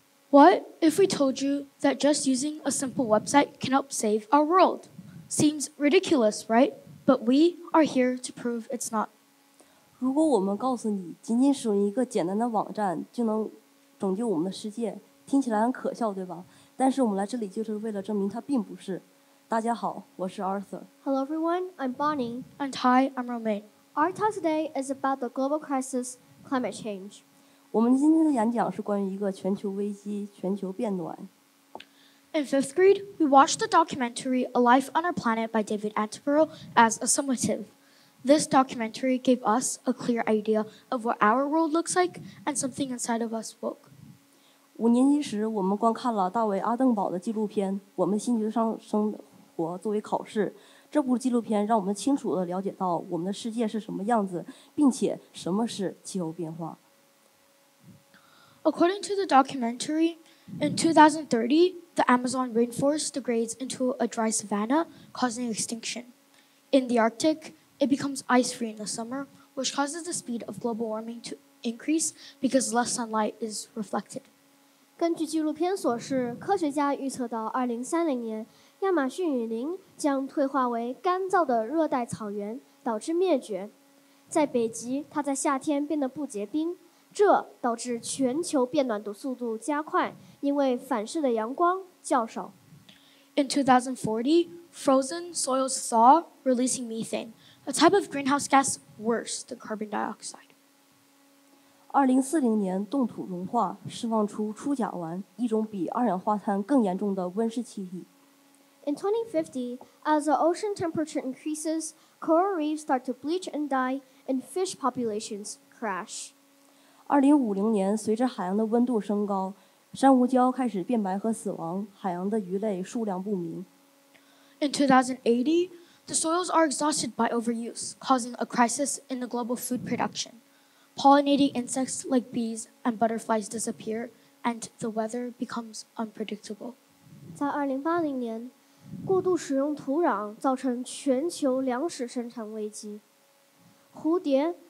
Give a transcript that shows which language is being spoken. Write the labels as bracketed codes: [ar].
[en] What if we told you that just using a simple website can help save our world? Seems ridiculous, right? But we are here to prove it's not. [zh] 如果我们告诉你仅仅使用一个简单的网站就能拯救我们的世界，听起来很可笑，对吧？但是我们来这里就是为了证明它并不是。大家好，我是 Arthur。 [en] Hello everyone, I'm Bonnie. And hi, I'm Romain. Our talk today is about the global crisis, climate change. [zh] 我们今天的演讲是关于一个全球危机，全球变暖。 [en] In fifth grade, we watched the documentary A Life on Our Planet by David Attenborough as a summative. This documentary gave us a clear idea of what our world looks like and something inside of us woke. [zh] 五年级时，我们观看了大卫·阿登堡的纪录片《我们星球上生活》作为考试。这部纪录片让我们清楚地了解到我们的世界是什么样子，并且什么是气候变化。 [en] According to the documentary, in 2030, the Amazon rainforest degrades into a dry savanna, causing extinction. In the Arctic, it becomes ice-free in the summer, which causes the speed of global warming to increase because less sunlight is reflected. [zh] 根据纪录片所示，科学家预测到2030年，亚马逊雨林将退化为干燥的热带草原，导致灭绝。在北极，它在夏天变得不结冰。这导致全球变暖的速度加快，因为反射的阳光较少。 [en] In 2040, frozen soils thaw, releasing methane, a type of greenhouse gas worse than carbon dioxide. [zh] 2040年，冻土融化，释放出初甲烷，一种比二氧化碳更严重的温室气体。 [en] In 2050, as the ocean temperature increases, coral reefs start to bleach and die, and fish populations crash. [zh] 2050年，随着海洋的温度升高，珊瑚礁开始变白和死亡，海洋的鱼类数量不明。 [en] In 2080, the soils are exhausted by overuse, causing a crisis in the global food production. Pollinating insects like bees and butterflies disappear, and the weather becomes unpredictable. [zh] 在2080年，过度使用土壤造成全球粮食生产危机，蝴蝶。